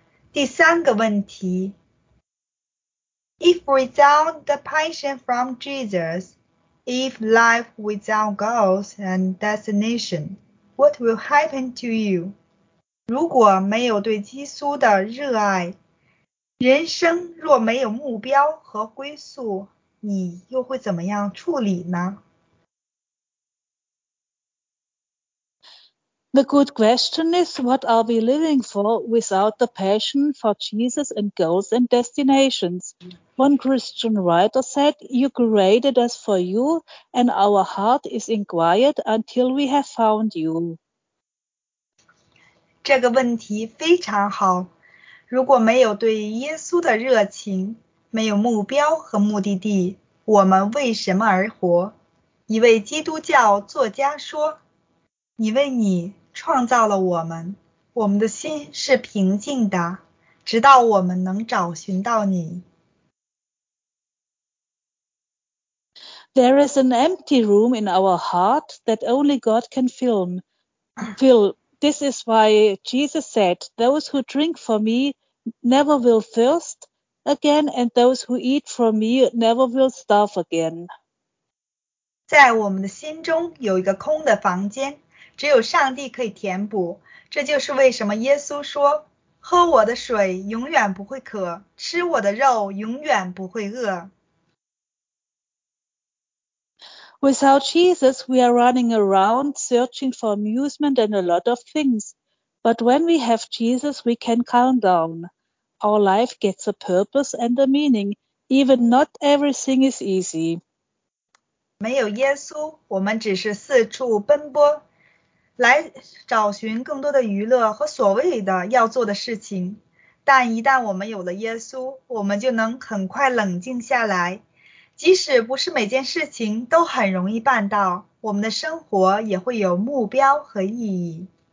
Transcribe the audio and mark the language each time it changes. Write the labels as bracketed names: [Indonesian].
[Chinese] 第三个问题， [English] If without the passion from Jesus, if life without goals and destination, what will happen to you? [Chinese] 如果没有对基督的热爱，人生若没有目标和归宿，你又会怎么样处理呢？ [English] The good question is, what are we living for without the passion for Jesus and goals and destinations? One Christian writer said, You created us for you, and our heart is inquired until we have found you. [Chinese] 这个问题非常好。如果没有对耶稣的热情，没有目标和目的地，我们为什么而活？一位基督教作家说，你为你创造了我们，我们的心是平静的，直到我们能找寻到你。 [English] There is an empty room in our heart that only God can fill. This is why Jesus said, Those who drink from me never will thirst again, and those who eat from me never will starve again. [Chinese] 在我们的心中有一个空的房间，只有上帝可以填补。这就是为什么耶稣说，喝我的水永远不会渴，吃我的肉永远不会饿。 [English] Without Jesus, we are running around searching for amusement and a lot of things. But when we have Jesus, we can calm down. Our life gets a purpose and a meaning. Even not everything is easy. [Chinese] 没有耶稣，我们只是四处奔波，来找寻更多的娱乐和所谓的要做的事情。但一旦我们有了耶稣，我们就能很快冷静下来。即使不是每件事情都很容易办到，我们的生活也会有目标和意义。